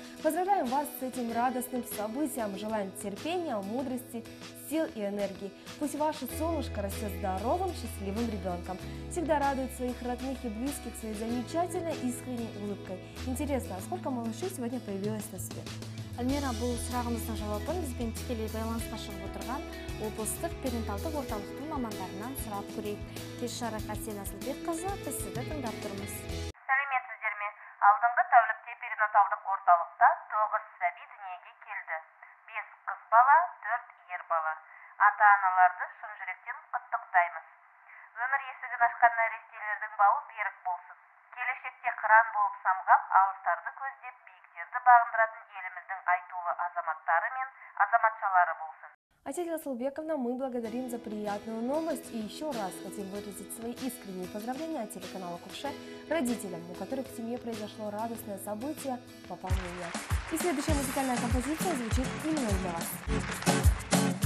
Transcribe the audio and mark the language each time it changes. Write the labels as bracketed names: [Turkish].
[Russian] Поздравляем вас с этим радостным событием, желаем терпения, мудрости, сил и энергии. Пусть ваше солнышко растет здоровым, счастливым ребенком. Всегда радует своих родных и близких своей замечательной искренней улыбкой. Интересно, а сколько малышей сегодня появилось на свет? [Kazakh] Альмира, бұл сұрағымыздың жауапын бізбен тікелей байланысқа шығып отырған облыстық перинаталдық орталықтың мамандарынан сұрап көрейік. Кеш шарақ Асен Асылбекқызы, біз сізді тыңдап тұрмыз. Сәлеметсіздер ме? Алдыңғы тәулікте перинаталдық орталықта 9 сәби дүниеге келді. 5 қыз бала, 4 ер бала. Ата-аналарды шын жүректен құттықтаймыз. Өмір есігін ашқан нәрестелердің бауы берік болсын. Келешекте қыран болып самғап, алыстарды көздеп, биіктерді бағындыратын еліміздің айтулы азаматтары мен азаматшалары болсын. [Russian] Асель Асылбековна, мы благодарим за приятную новость и еще раз хотим выразить свои искренние поздравления от телеканала «Кувше» родителям, у которых в семье произошло радостное событие – пополнение. И следующая музыкальная композиция звучит именно для вас.